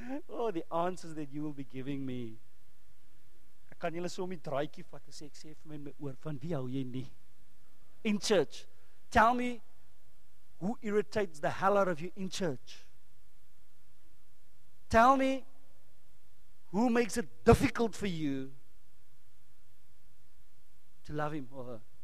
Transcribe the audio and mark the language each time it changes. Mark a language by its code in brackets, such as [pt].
[en] Oh, the answers that you will be giving me. [af] Kan julle so my draaitjie vat en sê, ek sê vir my oor, van wie hou jy nie? [en] In church. Tell me, who irritates the hell out of you in church? Tell me, who makes it difficult for you to love him or her?